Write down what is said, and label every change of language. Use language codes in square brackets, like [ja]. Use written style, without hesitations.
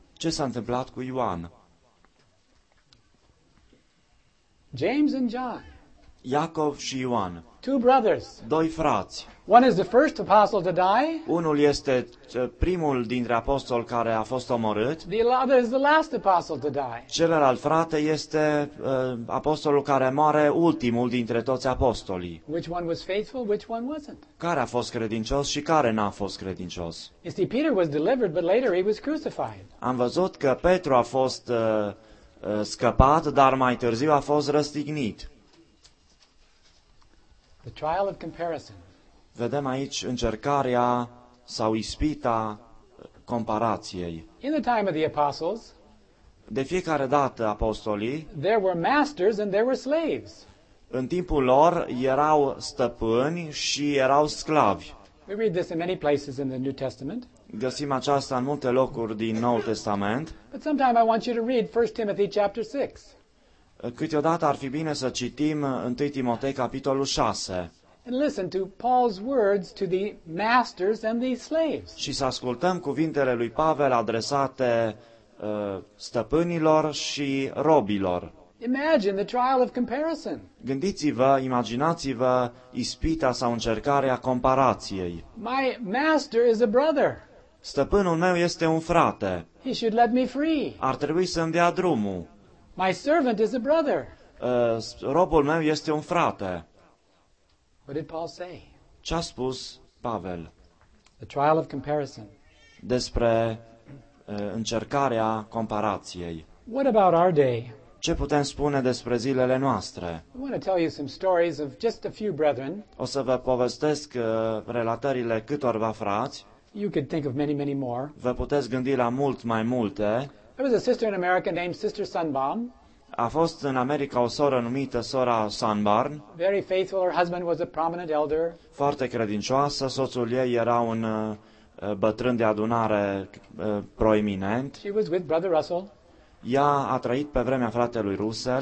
[ro] Ce s-a întâmplat cu Ioan? [en] James and John. [ro] Iacov și Ioan. [en] Two brothers. [ro] Doi frați. [en] One is the first apostle to die. [ro] Unul este primul dintre apostoli care a fost omorât. [en] The other is the last apostle to die. [ro] Celălalt frate este apostolul care moare ultimul dintre toți apostolii. [en] Which one was faithful, which one wasn't? [ro] Care a fost credincios și care n-a fost credincios? [en] You see, Peter was delivered, but later he was crucified. [ro] Am văzut că Petru a fost scăpat, dar mai târziu a fost răstignit. [en] The trial of comparison. [ro] Vedem aici încercarea sau ispita comparației. [en] In the time of the apostles, [ro] de fiecare dată apostolii, [en] there were masters and there were slaves. [ro] În timpul lor erau stăpâni și erau sclavi. [en] We read this in many places in the New Testament. [ro] Găsim aceasta în multe locuri din Noul Testament. [en] But sometime I want you to read 1 Timothy chapter 6. [ro] Câteodată ar fi bine să citim 1 Timotei capitolul 6. [en] And listen to Paul's words to the masters and the slaves. [ro] Și să ascultăm cuvintele lui Pavel adresate stăpânilor și robilor. [en] Imagine the trial of comparison. [ro] Gândiți-vă, imaginați-vă ispita sau încercarea comparației. [en] My master is a brother. [ro] Stăpânul meu este un frate. [en] He should let me free. [ro] Ar trebui să-mi dea drumul. [en] My servant is a brother. [ro] Robul meu este un frate. [en] What did Paul say? [ro] Ce a spus Pavel? [en] The trial of comparison. [ro] Despre încercarea comparației. [en] What about our day? [ro] Ce putem spune despre zilele noastre? [en] I want to tell you some stories of just a few brethren. [ro] O să vă povestesc relatările câtorva frați. [en] You could think of many, many more. [ro] Vă puteți gândi la mult mai multe. [en] There was a sister in America named Sister Sunbaum. [ro] A fost în America o soră numită sora Sunburn. [en] Very faithful, her husband was a prominent elder. [ro] Foarte credincioasă, soțul ei era un bătrân de adunare proeminent. [en] She was with Brother Russell. [ro] Ea a trăit pe vremea fratelui Russell.